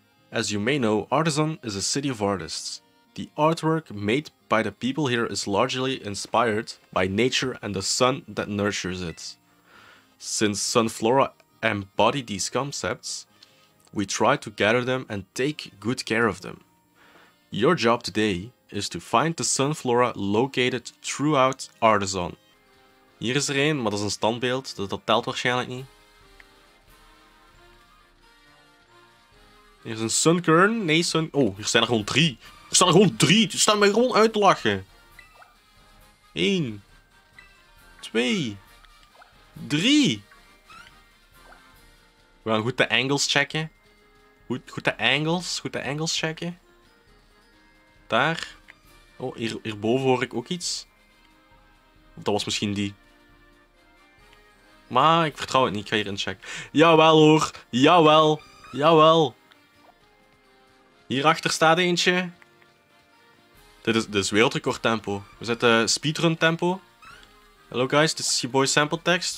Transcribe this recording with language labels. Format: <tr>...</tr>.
<en>As you may know, Artisan is a city of artists. The artwork made by the people here is largely inspired by nature and the sun that nurtures it. Since Sunflora embody these concepts, we try to gather them and take good care of them. Your job today is to find the Sunflora located throughout Artisan.</en> <nl>Hier is er één, maar dat is een standbeeld, dus dat telt waarschijnlijk niet. Hier is een Sunkern, nee Sun... Oh, hier zijn er gewoon drie! Er staan er gewoon drie! Die staan mij gewoon uit te lachen! 1... 2... 3! We gaan goed de angles checken. Goed de angles checken. Daar. Oh, hierboven hoor ik ook iets. Dat was misschien die. Maar ik vertrouw het niet, ik ga hierin checken. Jawel hoor, jawel, jawel. Hierachter staat eentje. Dit is wereldrecord tempo. We zetten speedrun tempo.</nl> <en>Hello guys, this is your boy Sample Text.</en>